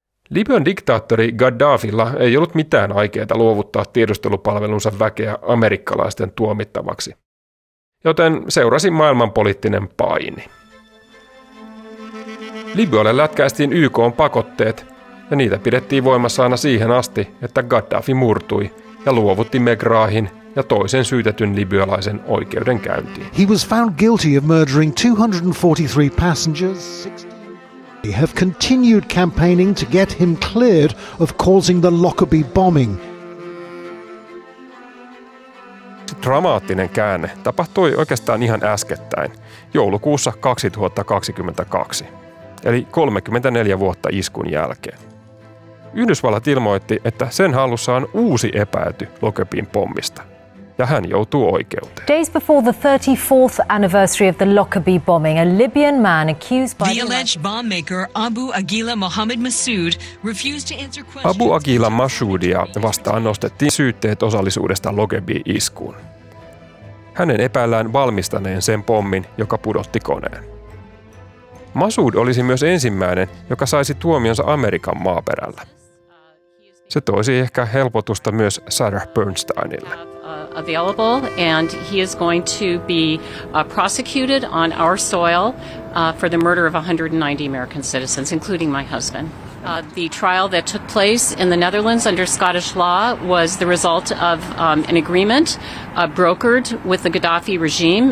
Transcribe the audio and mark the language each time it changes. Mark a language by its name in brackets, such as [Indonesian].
[Finnish] Libyan diktaattori Gaddafilla ei ollut mitään aikeita luovuttaa tiedustelupalvelunsa väkeä amerikkalaisten tuomittavaksi, joten seurasi maailmanpoliittinen paini. Libyalle lätkäistiin YK:n pakotteet, ja niitä pidettiin voimassa aina siihen asti, että Gaddafi murtui ja luovutti Megrahin ja toisen syytetyn libyalaisen oikeudenkäyntiin. [English] He was found guilty of murdering 243 passengers. They have continued campaigning to get him cleared of causing the Lockerbie bombing. [Finnish] Se dramaattinen käänne tapahtui oikeastaan ihan äskettäin, joulukuussa 2022. Eli 34 vuotta iskun jälkeen. Yhdysvallat ilmoitti, että sen hallussa on uusi epäilty Lockerbien pommista. Ja hän joutuu oikeuteen. [English] Days before the 34th anniversary of the Lockerbie bombing, a Libyan man accused by the alleged bomb maker Abu Aguila Mohammed Massoud refused to answer questions. [Finnish] Abu Aguila Massoudia vastaan nostettiin syytteet osallisuudesta Lockerbien iskuun. Hänen epäillään valmistaneen sen pommin, joka pudotti koneen. Massoud olisi myös ensimmäinen, joka saisi tuomionsa Amerikan maaperällä. Se toisi ehkä helpotusta myös Sarah Bernsteinille. [English] Available and he is going to be prosecuted on our soil for the murder of 190 American citizens including my husband. The trial that took place in the Netherlands under Scottish law was the result of an agreement brokered with the Gaddafi regime.